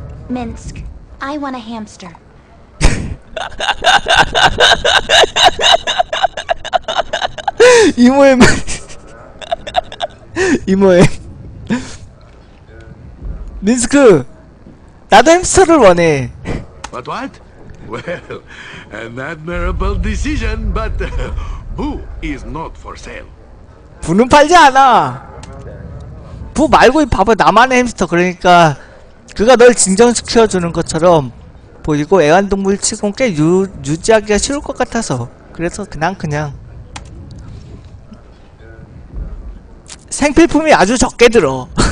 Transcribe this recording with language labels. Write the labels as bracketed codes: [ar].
[en] 민스크, I want a hamster. [ko] 이모의 말. 이모의. 민스크, 나도 햄스터를 원해. [en] What what? Well, an admirable decision, but Boo is not for sale. [ko] 부는 팔지 않아. 부 말고 이 바보 나만의 햄스터. 그러니까 그가 널 진정시켜 주는 것처럼 보이고 애완동물 치고는 꽤 유지하기가 쉬울 것 같아서 그래서 그냥 생필품이 아주 적게 들어.